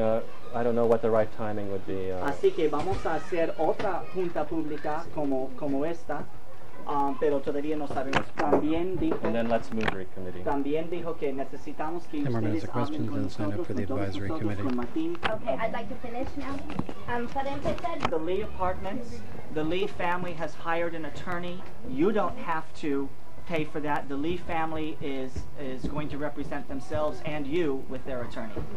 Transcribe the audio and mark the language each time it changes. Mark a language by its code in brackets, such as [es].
[en] I don't know what the right timing would be. [es] Así que vamos a hacer otra junta pública como esta, pero todavía no sabemos. También dijo. [en] And then let's move the committee. [es] También dijo que necesitamos que ustedes hablen con nosotros. [en] Member has a question. Then sign up for the advisory committee. Okay, I'd like to finish now. [es] Para empezar, [en] the Lee apartments. The Lee family has hired an attorney. You don't have to pay for that. The Lee family is going to represent themselves and you with their attorney.